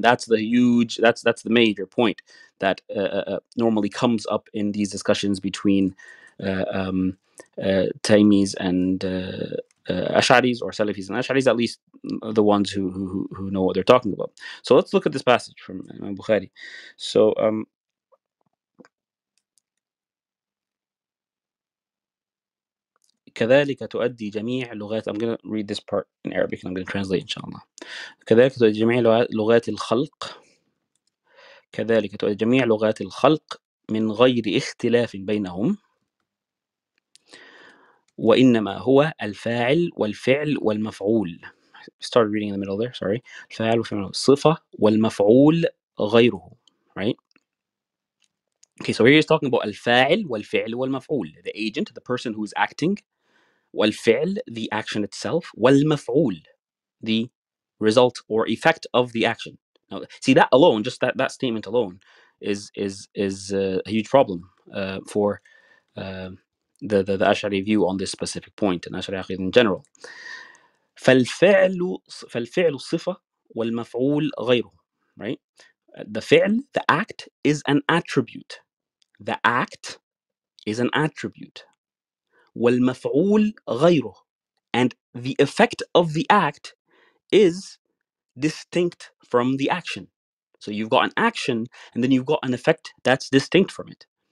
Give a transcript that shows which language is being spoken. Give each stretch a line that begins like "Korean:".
English: And that's the huge, that's the major point that normally comes up in these discussions between Taymis and Ash'aris, or Salafis and Ash'aris, at least the ones who know what they're talking about. So let's look at this passage from Imam Bukhari.
Arabic: So, كذلك تؤدي جميع لغات.
English: I'm going to read this part in Arabic and I'm going to translate inshallah.
Arabic: كذلك تؤدي جميع لغات الخلق. كذلك تؤدي جميع لغات الخلق من غير اختلاف بينهم. وإنما هو الفاعل والفعل والمفعول.
English: Start reading in the middle there. Sorry.
Arabic: الفاعل والفعل صفة والمفعول غيره.
English: Right. Okay. So here he's talking about
Arabic: الفاعل والفعل والمفعول.
English: The agent, the person who is acting. والفعل, the action itself, والمفعول, the result or effect of the action. Now, see, that alone, just that statement alone, is a huge problem for the Ash'ari view on this specific point and Ash'ari Aqeedah in general.
Arabic: فالفعل صفة والمفعول غيره, right?
English: The فعل, the act, is an attribute. The act is an attribute.
Arabic: والمفعول غيره,
English: and the effect of the act is distinct from the action. So you've got an action and then you've got an effect that's distinct from it.